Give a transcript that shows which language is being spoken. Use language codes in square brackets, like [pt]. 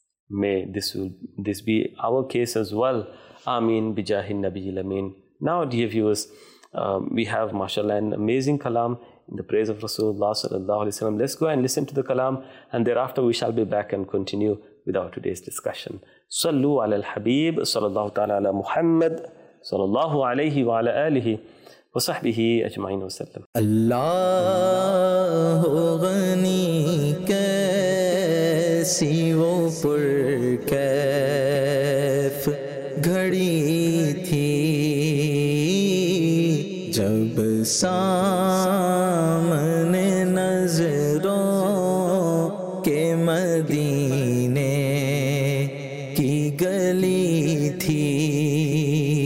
[en] May this be our case as well. Ameen bijahin nabiyil amin. Now, dear viewers, we have, mashallah, an amazing kalam in the praise of Rasulullah sallallahu alayhi wa sallam. Let's go and listen to the kalam, and thereafter we shall be back and continue with our today's discussion. [ar] صلوا على الحبيب صلى الله تعالى على محمد صلى الله عليه وعلى آله وصحبه أجمعين وسلم. [ur] الله غني کیسی وہ پر کیف گھڑی تھی جب سامنے نظروں کے مدینے کی گلی تھی.